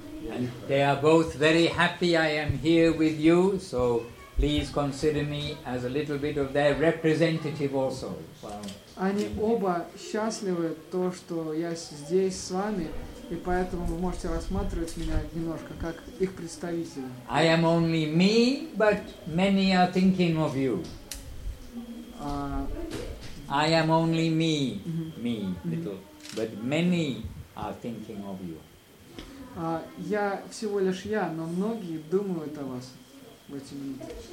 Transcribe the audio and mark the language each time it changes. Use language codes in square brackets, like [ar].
[en] And they are both very happy I am here with you, so please consider me as a little bit of their representative also. [ru] Они оба счастливы то, что я здесь с вами, и поэтому вы можете рассматривать меня немножко как их представителя. [en] I am only me, but many are thinking of you. I am only me, me, little, but many are thinking of you. [ru] Я всего лишь я, но многие думают о вас в эти минуты.